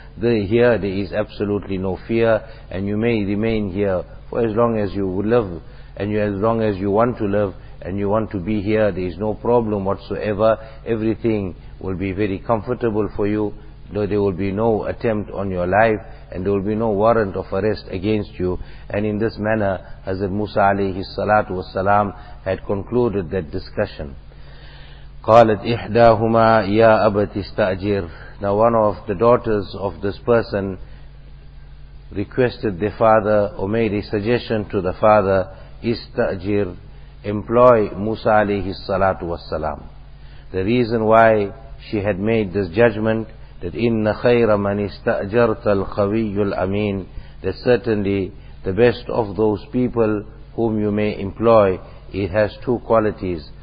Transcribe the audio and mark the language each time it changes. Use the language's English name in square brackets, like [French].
[English] Here there is absolutely no fear, and you may remain here for as long as you would live, and as long as you want to live, and you want to be here, there is no problem whatsoever. Everything will be very comfortable for you, though there will be no attempt on your life, and there will be no warrant of arrest against you. And in this manner, Hazrat Musa alayhi salatu wasalam had concluded that discussion. [Arabic] قالت إحداهما يا أبت استأجر. [English] Now one of the daughters of this person requested the father, or made a suggestion to the father, استأجر, employ Musa alayhi salatu wasalam. The reason why she had made this judgment, that [Arabic] إِنَّ خَيْرَ مَنِ اسْتَأْجَرْتَ الْخَوِيُّ الْأَمِينَ, [English] that certainly the best of those people whom you may employ, it has two qualities.